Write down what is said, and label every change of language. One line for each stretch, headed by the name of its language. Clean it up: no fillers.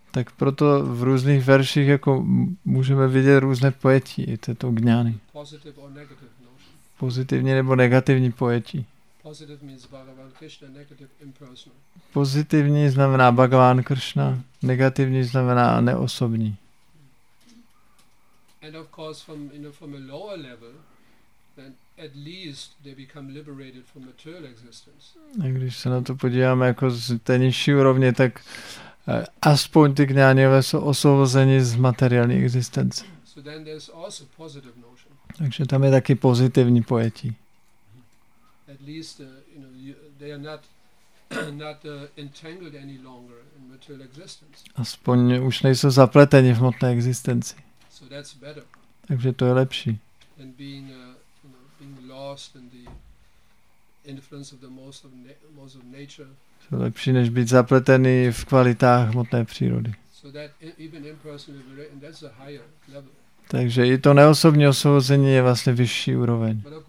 Czech: Tak proto v různých verších jako můžeme vidět různé pojetí této gňány.
English: Positive or negative notion.
Czech: Pozitivní nebo negativní pojetí.
English: Positive means Bhagavan Krishna, negative impersonal.
Czech: Pozitivní znamená Bhagavan Krishna, negativní znamená neosobní.
English: And of course from, you know, from a lower level, then at least they become liberated from material existence.
Czech: A když se na to podíváme jako z té nižší úrovně, tak aspoň ty gňáňové jsou osvobozeni z materiální existence.
English: So then there's also positive notion.
Czech: Takže tam je taky pozitivní pojetí.
English: At least you know, they are not entangled any longer in material existence.
Czech: Aspoň už nejsou zapleteni v hmotné existenci.
English: So that's better.
Czech: Takže to je lepší.
English: And being you know, being lost in the influence of the most of nature.
Czech: To je lepší než být zapletený v kvalitách hmotné přírody.
English: So that even impersonal liberation, that's a higher level.
Czech: Takže i to neosobní osvobození je vlastně vyšší úroveň.